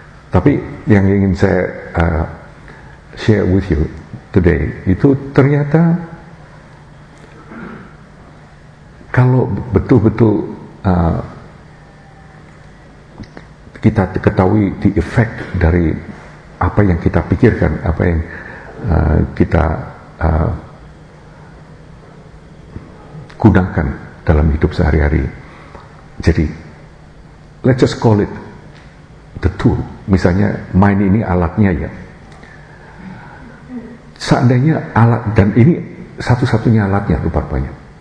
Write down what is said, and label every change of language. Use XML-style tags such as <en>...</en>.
<id>Tapi yang ingin saya</id> <en>share with you today</en> <id>itu ternyata kalau betul-betul kita ketahui the effect dari apa yang kita pikirkan, apa yang kita gunakan dalam hidup sehari-hari. Jadi,</id> <en>let's just call it the tool.</en> <id>Misalnya, mind ini alatnya ya. Seandainya alat, dan ini satu-satunya alatnya rupa-rupanya.</id>